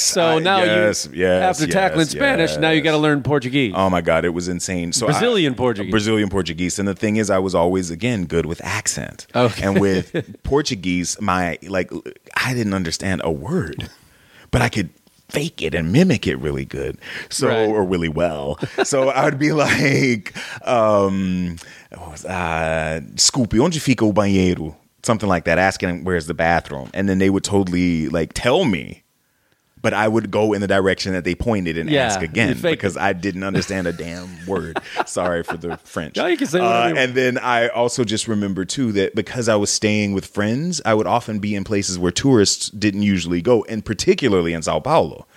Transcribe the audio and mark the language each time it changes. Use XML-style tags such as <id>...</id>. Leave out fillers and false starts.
<en>So now you got to learn Portuguese. Oh my God, it was insane. So Brazilian Portuguese. And the thing is, I was always, again, good with accent. Okay. And with Portuguese, I didn't understand a word, but I could fake it and mimic it really good. So, right. Or really well. So I'd be like, Scoopy,</en> <pt>onde fica o banheiro?</pt> <en>Something like that, asking where's the bathroom. And then they would totally like tell me, but I would go in the direction that they pointed and ask again because I didn't understand a damn word. Sorry for the French. No, you can say whatever. And then I also just remember too that because I was staying with friends, I would often be in places where tourists didn't usually go, and particularly in Sao Paulo.</en>